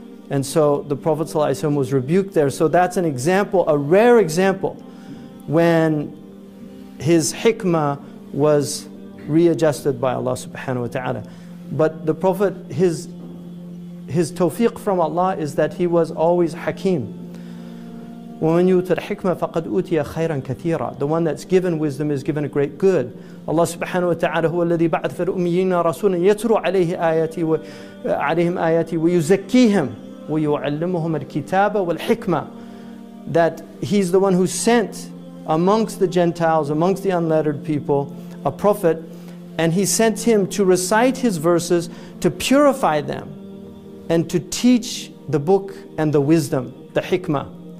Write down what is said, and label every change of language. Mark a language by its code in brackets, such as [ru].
[en] And so the Prophet ﷺ was rebuked there. So that's an example, a rare example, when his hikmah was readjusted by Allah subhanahu wa ta'ala. But the Prophet, his tawfiq from Allah is that he was always hakim. [ar] وَمَنْ يُوتَ الْحِكْمَةَ فَقَدْ أُوتِيَ خَيْرًا كَثِيرًا. [en] The one that's given wisdom is given a great good. [ar] Allah subhanahu wa ta'ala, هُوَ الَّذِي بَعَثَ فِي الْأُمِّيِّينَ رَسُولًا يَتْرُو عَلَيْهِمْ آيَاتِي وَيُزَكِّيهِمْ وَيُعَلِّمُهُمَ الْكِتَابَ وَالْحِكْمَةَ. [en] That he's the one who sent amongst the Gentiles, amongst the unlettered people, a prophet, and he sent him to recite his verses, to purify them, and to teach the book and the wisdom, the hikmah.